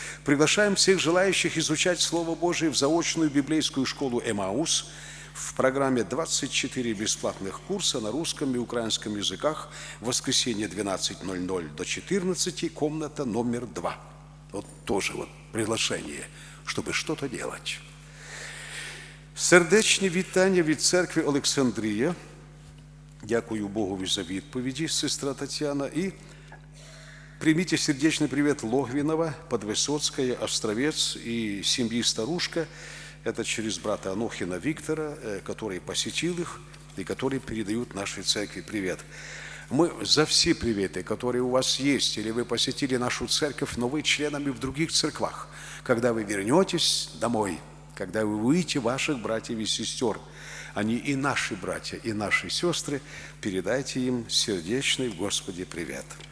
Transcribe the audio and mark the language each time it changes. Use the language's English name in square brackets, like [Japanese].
[Russian] Приглашаем всех желающих изучать Слово Божие в заочную библейскую школу «Эмаус». В программе 24 бесплатных курса на русском и украинском языках в воскресенье 12:00 до 14:00, комната номер 2. Вот тоже вот приглашение, чтобы что-то делать. [Ukrainian] Сердечні вітання від церкви Олександрія. Дякую Богові за відповіді, сестра Тетяна. І прийміть сердечний привіт Логвінова, Підвисоцька, Островець і сім'ї Старушка. [Russian] Это через брата Анохина Виктора, который посетил их и который передают нашей церкви привет. Мы за все приветы, которые у вас есть, или вы посетили нашу церковь, но вы членами в других церквах. Когда вы вернетесь домой, когда вы увидите ваших братьев и сестер, они и наши братья, и наши сестры, передайте им сердечный Господи привет.